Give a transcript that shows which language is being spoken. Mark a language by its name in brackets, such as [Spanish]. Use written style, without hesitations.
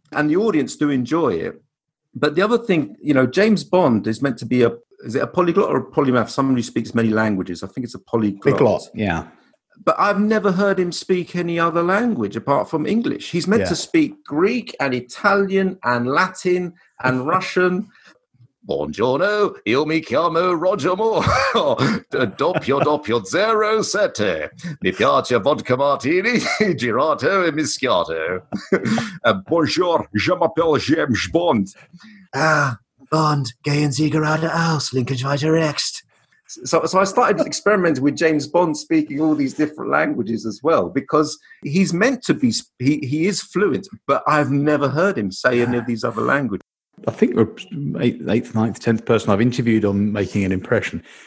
[English] And the audience do enjoy it. But the other thing, you know, James Bond is meant to be is it a polyglot or a polymath? Someone who speaks many languages. I think it's a polyglot. Polyglot, yeah. But I've never heard him speak any other language apart from English. He's meant to speak Greek and Italian and Latin and Russian. [Italian] Buongiorno, io mi chiamo Roger Moore. Doppio, doppio, zero, sette. Mi piace vodka martini, girato e mischiato. [French] Bonjour, je m'appelle James Bond. Bond, gay and Ziga out of house, linkage weiter next. [English] So I started experimenting with James Bond speaking all these different languages as well, because he's meant to be, he is fluent, but I've never heard him say any of these other languages. I think you're the 8th, 9th, 10th person I've interviewed on making an impression.